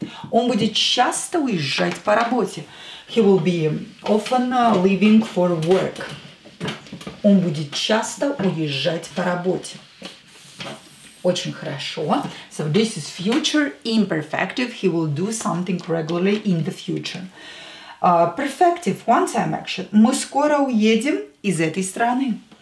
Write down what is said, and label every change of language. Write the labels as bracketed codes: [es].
[ru] Он будет часто уезжать по работе. [en] He will be often leaving for work. [ru] Он будет часто уезжать по работе. Очень хорошо. [en] So this is future imperfective. He will do something regularly in the future. Perfective, one-time action. [ru] Мы скоро уедем из этой страны.